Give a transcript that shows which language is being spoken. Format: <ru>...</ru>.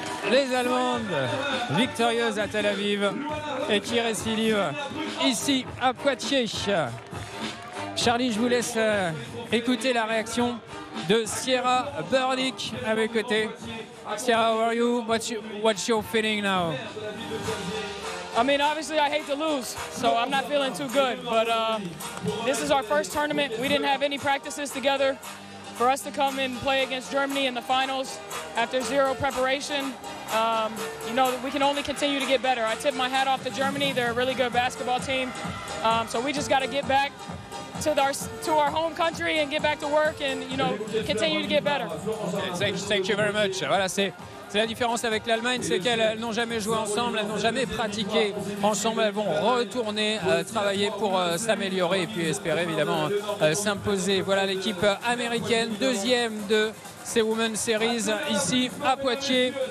<fr>Les Allemandes victorieuses à Tel Aviv et qui récidivent ici à Poitiers. Charlie, je vous laisse écouter la réaction de Sierra Burdick à mes côtés.</fr> <en>Sierra, how are you? What's your feeling now? I mean, obviously, I hate to lose, so I'm not feeling too good. But this is our first tournament. We didn't have any practices together. For us to come and play against Germany in the finals after zero preparation, you know, we can only continue to get better. I tip my hat off to Germany. They're a really good basketball team. So we just got to get back to our home country and get back to work and, you know, continue to get better. Thank you very much.</en> <fr>Voilà, c'est la différence avec l'Allemagne, c'est qu'elles n'ont jamais joué ensemble, elles n'ont jamais pratiqué ensemble. Elles vont retourner travailler pour s'améliorer et puis espérer évidemment s'imposer. Voilà l'équipe américaine, deuxième de ces Women Series ici à Poitiers.</fr>